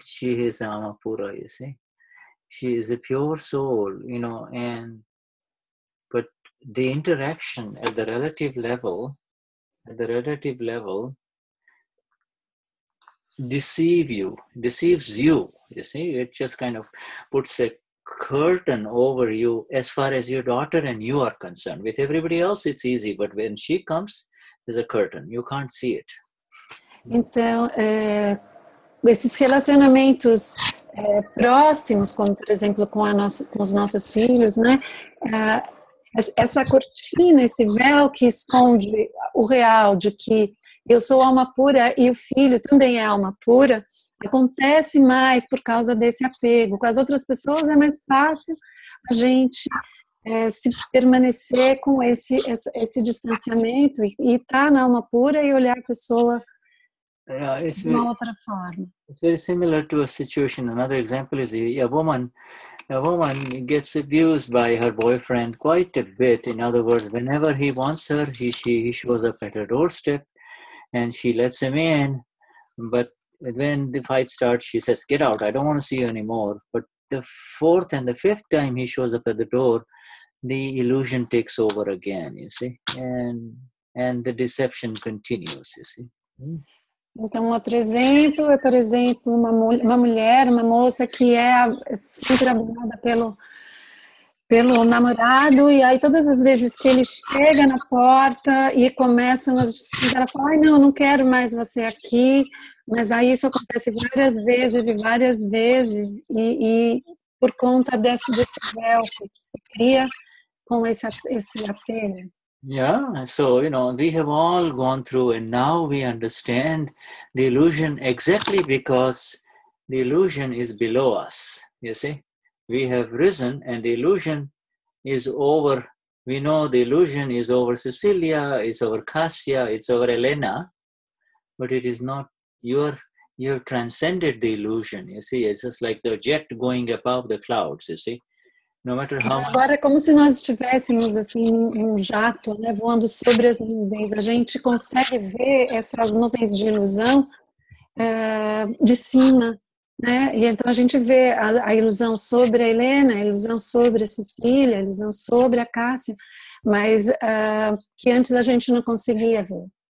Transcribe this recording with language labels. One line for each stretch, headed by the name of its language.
English: She is an Amapura. You see. She is a pure soul, you know, but the interaction at the relative level, deceives you, you see. It just kind of puts a curtain over you as far as your daughter and you are concerned. With everybody else, it's easy, but when she comes, there's a curtain. You can't see it.
Portuguese: Então, esses relacionamentos próximos, como por exemplo com os nossos filhos, né? Essa cortina, esse véu que esconde o real de que eu sou alma pura e o filho também é alma pura, acontece mais por causa desse apego. Com as outras pessoas é mais fácil a gente se permanecer com esse distanciamento e estar na alma pura e olhar a pessoa.
English: Yeah, it's very similar to a situation. Another example is a woman gets abused by her boyfriend quite a bit. In other words, whenever he wants her, he shows up at her doorstep and she lets him in. But when the fight starts, she says, "Get out, I don't want to see you anymore." But the fourth and the fifth time he shows up at the door, the illusion takes over again, you see. And the deception continues, you see.
Portuguese: Então, outro exemplo é, por exemplo, uma mulher, uma moça que é sempre abusada pelo namorado e aí todas as vezes que ele chega na porta e começa, ela fala, ai não, não quero mais você aqui, mas aí isso acontece várias vezes e por conta desse véu que se cria com esse apelo.
English: Yeah, so, you know, we have all gone through and now we understand the illusion exactly because the illusion is below us, you see. We have risen and the illusion is over. We know the illusion is over Cecilia, it's over Cassia, it's over Elena, but it is not, you've transcended the illusion, you see. It's just like the jet going above the clouds, you see. No matter how
Portuguese: agora é como se nós estivéssemos assim um jato, né, voando sobre as nuvens. A gente consegue ver essas nuvens de ilusão de cima, Né? E então a gente vê a ilusão sobre a Helena, a ilusão sobre a Cecília, a ilusão sobre a Cássia, mas que antes a gente não conseguia ver.